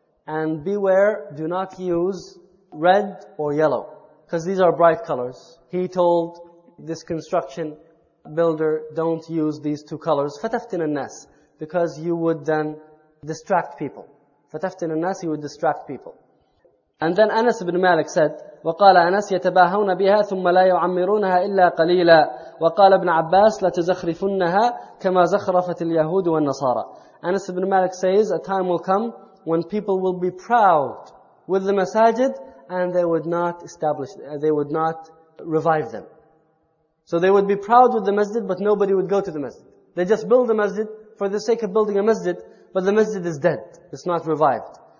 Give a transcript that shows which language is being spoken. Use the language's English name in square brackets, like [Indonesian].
[English] And beware, do not use red or yellow, because these are bright colors. He told this construction builder, don't use these two colors. [Arabic] فَتَفْتِنَ النَّاسِ, [English] because you would then distract people. [Arabic] فَتَفْتِنَ النَّاسِ, [English] you would distract people. And then Anas ibn Malik said, [Arabic] وَقَالَ أَنَسْ يَتَبَاهَوْنَ بِهَا ثُمَّ لَا يُعَمِّرُونَهَا إِلَّا قَلِيلًا وَقَالَ ابْنَ عَبَّاسِ لَتَزَخْرِفُنَّهَا كَمَا زَخْرَفَتِ الْيَهُودُ وَالنَّصَارَى. [English] Anas ibn Malik says, a time will come when people will be proud with the masajid, and they would not establish, they would not revive them. So they would be proud with the masjid, but nobody would go to the masjid. They just build the masjid for the sake of building a masjid, but the masjid is dead. It's not revived.